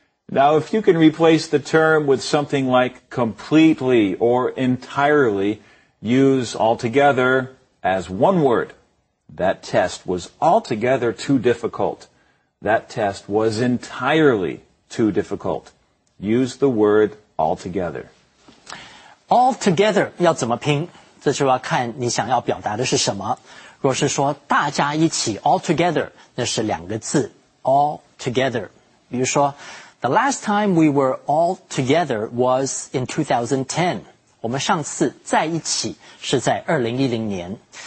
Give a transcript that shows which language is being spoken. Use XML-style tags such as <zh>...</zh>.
<en>Now, if you can replace the term with something like completely or entirely, use all together as one word. That test was altogether too difficult. That test was entirely too difficult. Use the word altogether.</en> <zh>Altogether 要怎么拼？这就要看你想要表达的是什么。若是说大家一起 altogether, 那是两个字 altogether。比如说</zh> <en>,the last time we were altogether was in 2010.</en> <zh>我们上次在一起是在2010年。</zh>